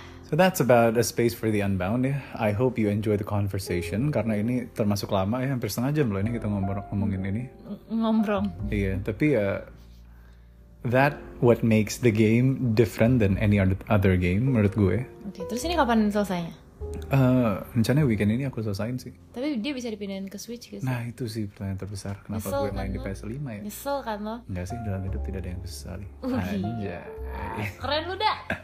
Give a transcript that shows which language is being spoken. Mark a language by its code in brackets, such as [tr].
[en] So that's about A Space for the Unbound ya. I hope you enjoy the conversation. [id] Karena ini termasuk lama ya, hampir setengah jam loh ini kita ngomongin ini. Ngomrong. [en] Iya, yeah, tapi ya that what makes the game different than any other game [id] menurut gue. Oke, okay, terus ini kapan selesainya? Rencananya weekend ini aku selesain sih. Tapi dia bisa dipindahin ke Switch gitu. Nah itu sih pertanyaan terbesar. Kenapa nyesel gue main kan di PS5 ya? Nyesel kan lo? Enggak sih, dalam hidup tidak ada yang kesesali. Anjay. Keren lu dah.